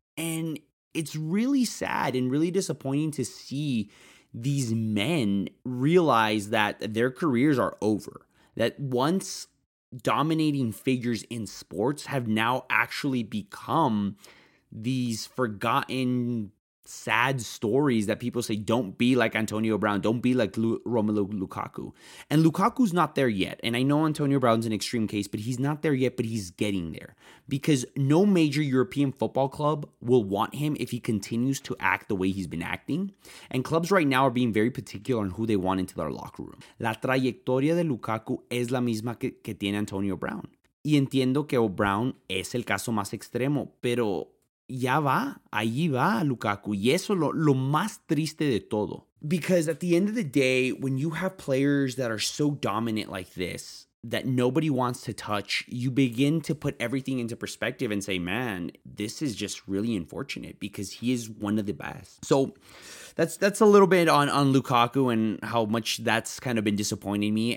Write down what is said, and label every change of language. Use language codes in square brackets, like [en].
[en] And it's really sad and really disappointing to see these men realize that their careers are over, that once dominating figures in sports have now actually become these forgotten sad stories that people say, don't be like Antonio Brown, don't be like Romelu Lukaku. And Lukaku's not there yet. And I know Antonio Brown's an extreme case, but he's not there yet, but he's getting there. Because no major European football club will want him if he continues to act the way he's been acting. And clubs right now are being very particular on who they want into their locker room. [es] La trayectoria de Lukaku es la misma que tiene Antonio Brown. Y entiendo que Brown es el caso más extremo, pero ya va, allí va Lukaku. Y eso lo más triste de todo. [en] Because at the end of the day, when you have players that are so dominant like this, that nobody wants to touch, you begin to put everything into perspective and say, man, this is just really unfortunate, because he is one of the best. So that's a little bit on Lukaku and how much that's kind of been disappointing me.